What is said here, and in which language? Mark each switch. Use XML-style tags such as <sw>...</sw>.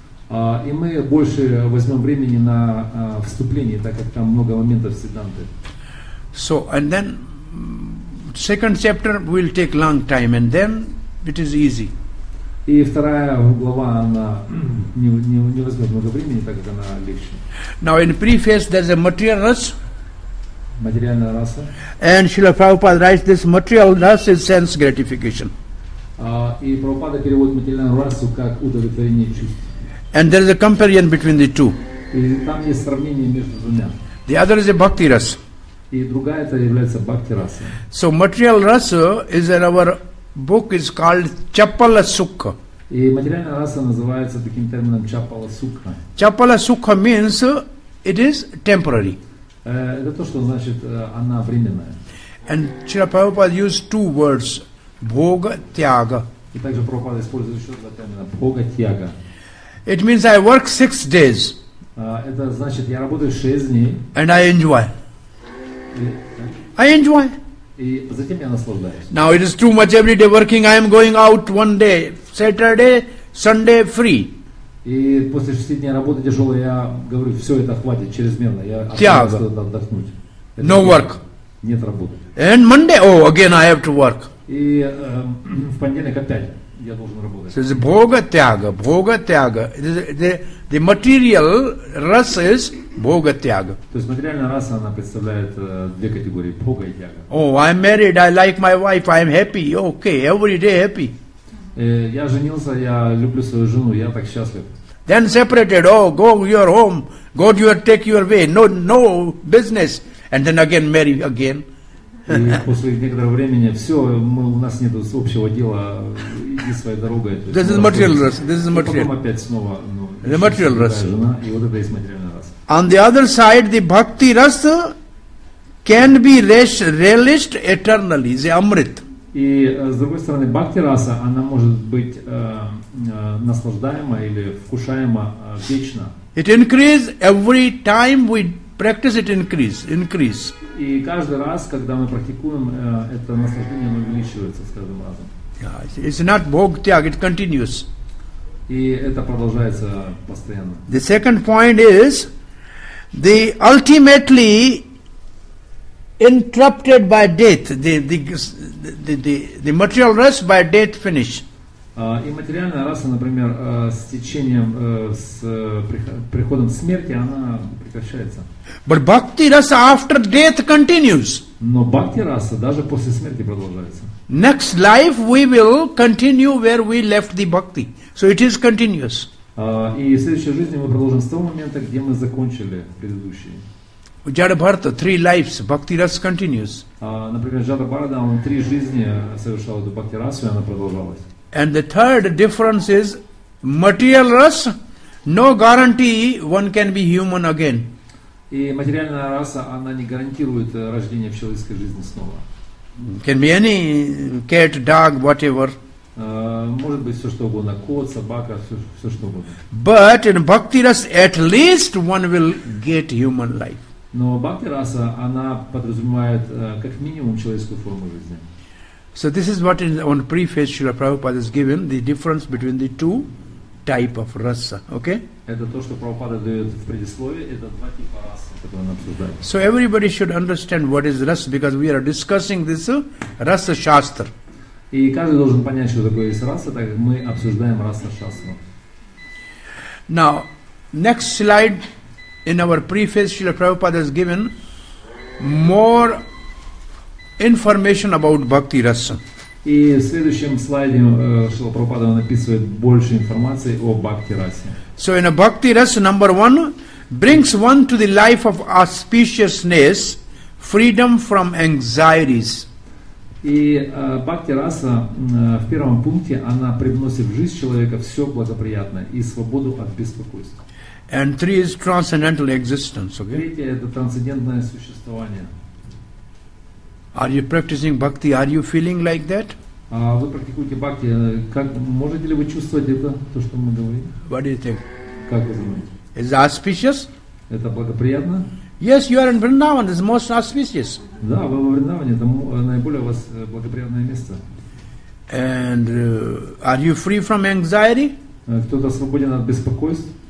<ru>И мы больше возьмем времени на вступление, так как там много моментов сиддханты.</ru> <en>So and then second chapter will take long time and then it is easy.</en> <ru>И вторая глава она не возьмет много времени, так как она легче.</ru> <en>Now in preface there's a material rasa.</en> <ru>Материальная раса.</ru> <en>And Srila Prabhupada writes this material rasa is sense gratification.</en> <ru>И Прабхупада переводит материальную расу как удовлетворение чувств.</ru> <en>And there is a comparison between the two.</en> <ru>И там есть сравнение между двумя.</ru> <en>The other is a bhakti rasa.</en> <ru>И другая это является бхакти раса.</ru> <en>So material rasa is in our book is called chappala sukha.</en> <ru>И материальная раса называется таким термином chappala sukha.</ru> <en>Chappala sukha means it is temporary.</en> <ru>Это то, что значит она временная.</ru> <en>And Srila Prabhupada used two words, bhoga tyaga.</en> <ru>И также Прабхупада использует еще два термина, bhoga tyaga.</ru> <en>It means I work 6 days.</en> <ru>Это значит я работаю 6 дней.</ru> <en>And I enjoy. I enjoy.</en> <ru>И затем я наслаждаюсь.</ru> <en>Now it is too much every day working. I am going out one day, Saturday, Sunday free.</en> <ru>И после 6 дней работы тяжелой я говорю, все это хватит чрезмерно. Я отправляюсь туда отдохнуть.</ru> <en>No work.</en> <ru>Нет работы.</ru> <en>And Monday, oh, again I have to work.</en> <ru>И в понедельник опять я должен работать.</ru> <en>So it's bhoga tyaga, bhoga tyaga. The material rasa is bhoga tyaga.</en> <ru>То есть материальная раса она представляет две категории: bhoga и tyaga.</ru> <en>Oh, I'm married. I like my wife. I'm happy. Okay, every day happy.</en> <ru>Я женился. Я люблю свою жену. Я так счастлив.</ru> <en>Then separated. Oh, go your home. Go your take your way. No business. And then again marry again.</en> <ru>И после некоторого времени все, у нас нет общего дела. Иди своей дорогой.</ru> <en>This is material rasa. This is material.</en> <ru>Потом опять снова.</ru> <en>The material rasa.</en> <ru>Вот</ru> <en>on the other side, the bhakti rasa can be relished eternally. The amrit.</en> <ru>И с другой стороны, bhakti rasa она может быть наслаждаема или вкушаема вечно.</ru> <en>It increases every time we practice. It increase.</en> <ru>И каждый раз, когда мы практикуем, это наслаждение увеличивается с каждым разом.</ru> <en>It's not bhogtyag. It continues.</en> <ru>И это продолжается постоянно.</ru> <en>The second point is the ultimately interrupted by death. The material rasa by death finish.</en> <ru>И материальная раса, например, с течением с приходом смерти, она прекращается.</ru> <en>But bhakti rasa after death continues.</en> <ru>Но bhakti rasa даже после смерти продолжается.</ru> <en>Next life we will continue where we left the bhakti. So it is continuous.</en> <ru>И в следующей жизни мы продолжим с того момента, где мы закончили предыдущий.</ru> <en>Jada Bharata, 3 lives, bhakti rasa continues.</en> <ru>Например, Jada Bharata, он 3 жизни совершал эту bhakti rasa, и она продолжалась.</ru> <en>And the third difference is material rasa, no guarantee one can be human again.</en> <ru>И материальная раса, она не гарантирует рождение в человеческой жизни снова.</ru> <en>Can be any cat, dog, whatever.</en> <ru>Может быть все что угодно, кот, собака, все что угодно.</ru> <en>But in bhakti rasa, at least one will get human life.</en> <ru>Но bhakti rasa, она подразумевает как минимум человеческую форму жизни.</ru> <en>So this is what on preface Srila Prabhupada has given, the difference between the two type of rasa, okay?</en> <ru>Это то, что Прабхупада дает в предисловии, это 2 типа расы, которые он обсуждает.</ru> <en>So everybody should understand what is rasa, because we are discussing this rasa shastra.</en> <ru>И каждый должен понять, что такое есть раса, так как мы обсуждаем раса шастра.</ru> <en>Now, next slide in our preface Srila Prabhupada has given more information about bhakti rasa.</en> <ru>И в следующем слайде Шрила Прабхупада написывает больше информации о бхакти расе.</ru> <en>So in a bhakti rasa, number 1 brings one to the life of auspiciousness, freedom from anxieties.</en> <ru>И бхакти раса в первом пункте она привносит в жизнь человека все благоприятное и свободу от беспокойства.</ru> <en>And 3 is transcendental existence. Okay?</en> <ru>Третье это трансцендентное существование.</ru> <en>Are you practicing bhakti? Are you feeling like that?</en> <ru>А вы практикуете бхакти, как, можете ли вы чувствовать это, то, что мы говорим?</ru> <en>What do you think?</en> <ru>Как вы думаете?</ru> <en>Is it auspicious?</en> <ru>Это благоприятно?</ru> <en>Yes, you are in Vrindavan, it's most auspicious.</en> <ru>Да, вы во Вриндаване, это наиболее у вас благоприятное место.</ru> <en>And are you free from anxiety?</en> <ru>Кто-то свободен от беспокойств?</ru>